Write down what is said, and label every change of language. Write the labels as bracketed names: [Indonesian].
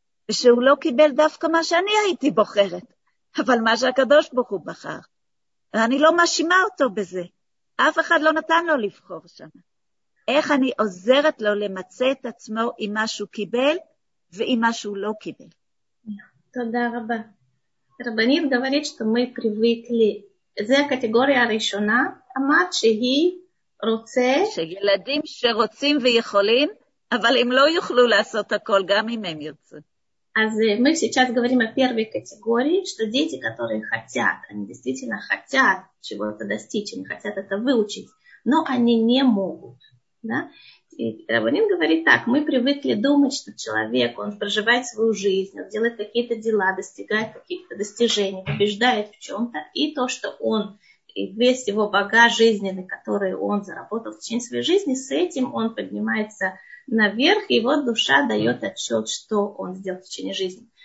[Hebrew] ושהוא לא קיבל דווקא מה שאני הייתי בוחרת, אבל מה שהקדוש ברוך הוא בחר. ואני לא משימה אותו בזה. אף אחד לא נתן לו לבחור שם. איך אני עוזרת לו למצוא את עצמו עם מה שהוא קיבל, ועם מה שהוא לא קיבל. תודה רבה. [Russian] רבנית говорит, что мы привыкли. [Hebrew] זה הקטגוריה הראשונה, אמרת שהיא רוצה... שילדים שרוצים ויכולים, אבל הם לא יוכלו לעשות הכל, גם אם הם יוצאים. [Russian] אז мы сейчас говорим о первой категории, что дети, которые хотят, они действительно хотят чего-то достичь, они хотят это выучить, но они не могут. Да? Рабанин говорит так, мы привыкли думать, что человек, он проживает свою жизнь, он делает какие-то дела, достигает каких-то достижений, побеждает в чем-то, и то, что он, и весь его багаж жизненный, который он заработал в течение своей жизни, с этим он поднимается наверх, и его душа дает отчет, что он сделал в течение жизни.